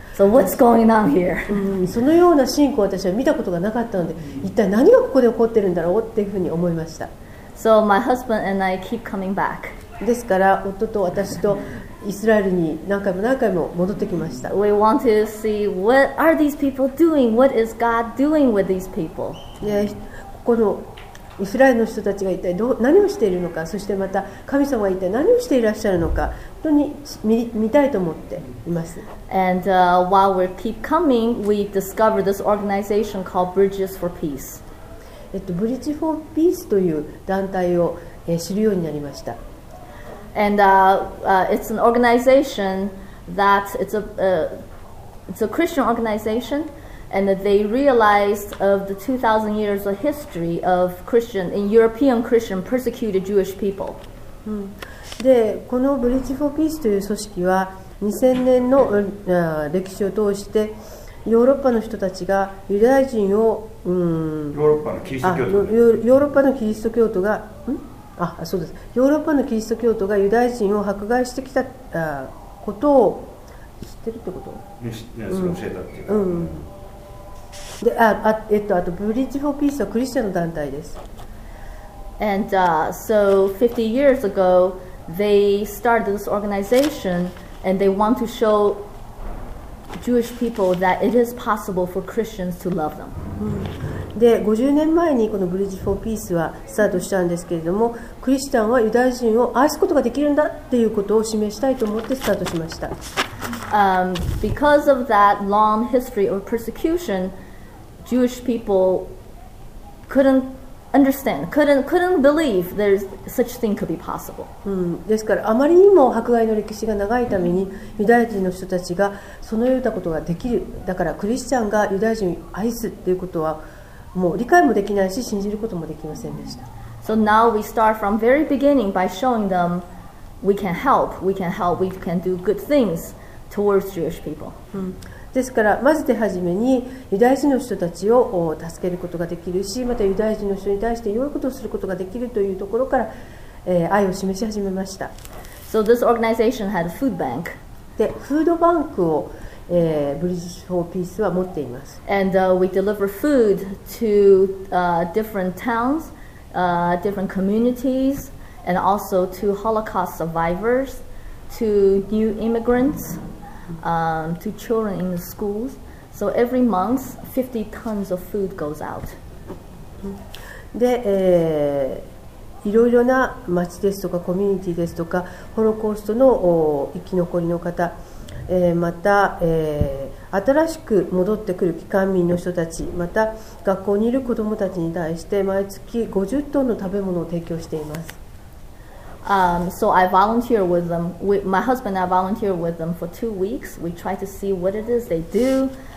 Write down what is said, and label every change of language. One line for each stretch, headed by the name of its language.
English: So what's going on here?
Japanese: そのような信仰を私は見たことがなかったので、一体何がここで起こっているんだろうっていうふうに思いました。
English: So my husband and I keep coming back.
Japanese: ですから夫と私とイスラエルに何回も何回も戻ってきました。
English: We want to see what are these people doing? What is God doing with these people?
Japanese: ここのイスラエルの人たちが一体何をしているのか、そしてまた神様が一体何をしていらっしゃるのか、本当に見たいと思っています。
English: And while we keep coming, we discover this organization called Bridges for Peace.
Japanese: Bridge for Peace という団体を、知るようになりました。
English: And it's an organization that it's a Christian organization. And they realized of the 2,000 years of history of Christian, in European Christian persecuted Jewish people.
Japanese: で、この Bridge for Peace という組織は2000年の歴史を通してヨーロッパの人たちがユダヤ人を、ヨーロッパのキリスト教徒、ヨーロッパのキリスト教徒が、あ、そうです。ヨーロッパのキリスト教徒がユダヤ人を迫害してきたことを知ってるってこと？それ教えたっていうか、うんうん、で、あとブリッジフォーピースはクリスチャンの団体です。
English: And、so 50 years ago they started this organization and they want to show Jewish people that it is possible for Christians to love them、うん、
Japanese: で50年前にこのブリッジフォーピースはスタートしたんですけれども、クリスチャンはユダヤ人を愛すことができるんだっていうことを示したいと思ってスタートしました。
English: Because of that long history of persecution, Jewish people couldn't understand, couldn't believe there's such thing could be possible.、
Japanese: うん、ですからあまりにも迫害の歴史が長いためにユダヤ人の人たちがそのようなことができる。だからクリスチャンがユダヤ人を愛すっていうことはもう理解もできないし信じることもできませんでした。
English: So now we start from very beginning by showing them we can help, we can help, we can do good things towards Jewish people.、
Japanese: うん、ですからまず手始めにユダヤ人の人たちを助けることができるし、またユダヤ人の人に対して良いことをすることができるというところから、愛を示し始めました。
English: So this organization had a food bank.
Japanese: で、フードバンクをブリッジフォーピースは持っています。
English: And we deliver food to different towns, different communities, and also to Holocaust survivors, to new immigrants, to children in the schools. So every month, 50 tons of food goes out.
Japanese: で、いろいろな町ですとかコミュニティですとか、ホロコーストの生き残りの方。また、新しく戻ってくる帰還民の人たち、また学校にいる子どもたちに対して毎月50トンの食べ物を提供しています。
English: So I volunteer with them. My husband and I volunteer with them for 2 weeks. We try to see what it is they do.